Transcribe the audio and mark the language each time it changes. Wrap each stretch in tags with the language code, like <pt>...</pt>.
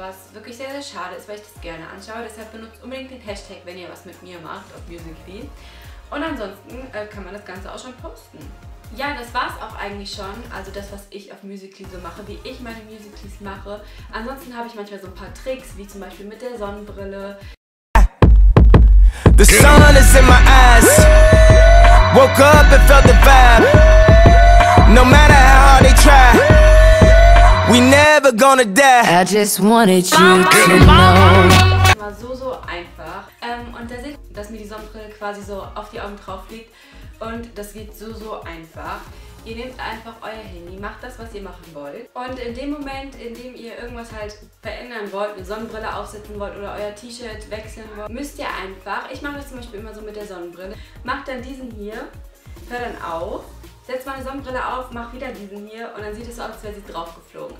<de>was wirklich sehr, sehr schade ist, weil ich das gerne anschaue. Deshalb benutzt unbedingt den Hashtag, wenn ihr was mit mir macht auf Musical.ly. Und ansonsten kann man das Ganze auch schon posten. Ja, das war es auch eigentlich schon. Also das, was ich auf Musical.ly so mache, wie ich meine Musical.lys mache. Ansonsten habe ich manchmal so ein paar Tricks, wie zum Beispiel mit der Sonnenbrille.</de> <en>The sun is in my eyes. Woke up and felt the vibe. No matter how hard they try. We never gonna die. I just wanted you to know.</en> <de>Das war so, so einfach. Und da seht ihr, dass mir die Sonnenbrille quasi so auf die Augen drauf liegt. Und das geht so, so einfach. Ihr nehmt einfach euer Handy, macht das, was ihr machen wollt. Und in dem Moment, in dem ihr irgendwas halt verändern wollt, eine Sonnenbrille aufsetzen wollt oder euer T-Shirt wechseln wollt, müsst ihr einfach, ich mache das zum Beispiel immer so mit der Sonnenbrille, macht dann diesen hier, hört dann auf, setzt meine Sonnenbrille auf, macht wieder diesen hier und dann sieht es so aus, als wäre sie draufgeflogen.</de>